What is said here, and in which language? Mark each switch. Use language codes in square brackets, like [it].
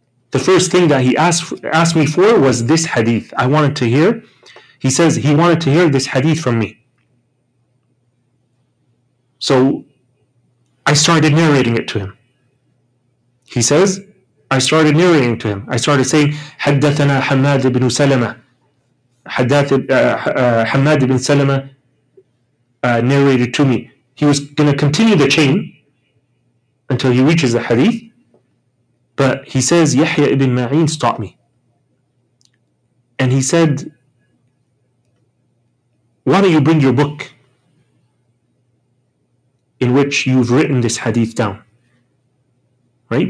[en] The first thing that he asked me for was this hadith. I wanted to hear. He says he wanted to hear this hadith from me. So I started narrating it to him. He says, I started narrating to him. I started saying, [ar] حدثنا حماد بن سلمة. [en] حماد بن سلمة narrated to me. He was going to continue the chain until he reaches the hadith. But he says, Yahya ibn Ma'in stopped me. And he said, why don't you bring your book in which you've written this hadith down? Right?